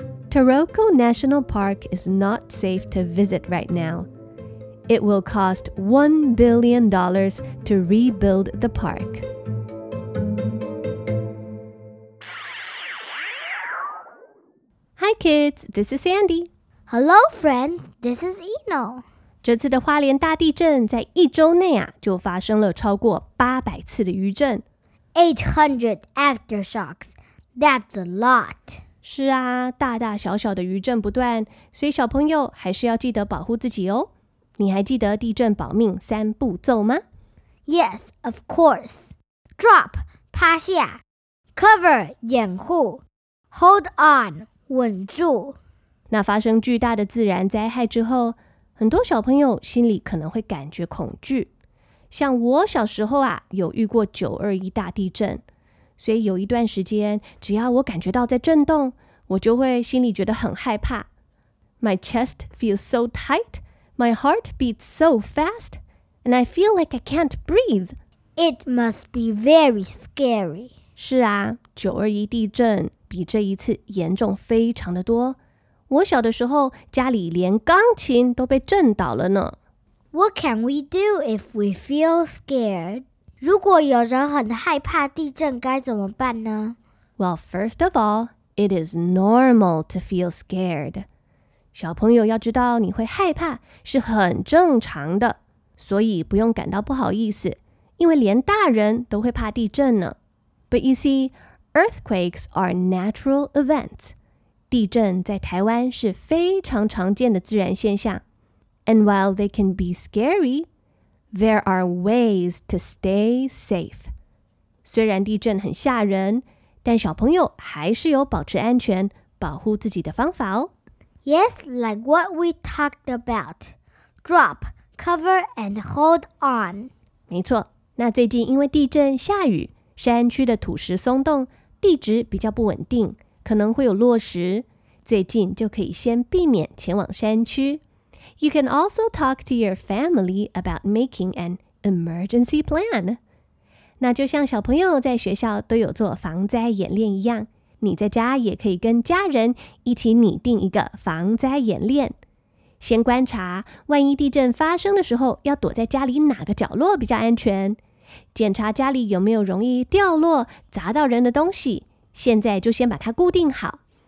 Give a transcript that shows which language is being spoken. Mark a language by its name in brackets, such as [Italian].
[English] Taroko National Park is not safe to visit right now. It will cost $1 billion to rebuild the park. Hi kids, this is Sandy. Hello friends, this is Eno. [Chinese] 这次的花莲大地震在一周内啊，就发生了超过800次的余震。 [English] 800 aftershocks, that's a lot. [Chinese] 是啊，大大小小的余震不断，所以小朋友还是要记得保护自己哦。你还记得地震保命三步骤吗？ [English] Yes, of course. Drop, [Chinese] 趴下。 [English] Cover, [Chinese] 掩护。 [English] Hold on, [Chinese] 稳住。那发生巨大的自然灾害之后，很多小朋友心里可能会感觉恐惧。像我小时候啊，有遇过921大地震，所以有一段时间，只要我感觉到在震动，我就会心里觉得很害怕。 [English] My chest feels so tight, my heart beats so fast, and I feel like I can't breathe. It must be very scary. [Chinese] 是啊，921地震比这一次严重非常的多。我小的时候，家里连钢琴都被震倒了呢。 [English] What can we do if we feel scared? [Chinese] 如果有人很害怕地震该怎么办呢? [English] Well, first of all, it is normal to feel scared. [Chinese] 小朋友要知道你会害怕是很正常的,所以不用感到不好意思,因为连大人都会怕地震呢。 [English] But you see, earthquakes are natural events. [Chinese] 地震在台湾是非常常见的自然现象。 [English] And while they can be scary, there are ways to stay safe. [Chinese] 虽然地震很吓人，但小朋友还是有保持安全、保护自己的方法哦。 [English] Yes, like what we talked about. Drop, cover, and hold on. [Chinese] 没错，那最近因为地震下雨，山区的土石松动，地质比较不稳定，可能会有落石。最近就可以先避免前往山区。 [English] You can also talk to your family about making an emergency plan. [Chinese] 那就像小朋友在学校都有做防灾演练一样，你在家也可以跟家人一起拟定一个防灾演练。先观察，万一地震发生的时候，要躲在家里哪个角落比较安全？检查家里有没有容易掉落、砸到人的东西，现在就先把它固定好。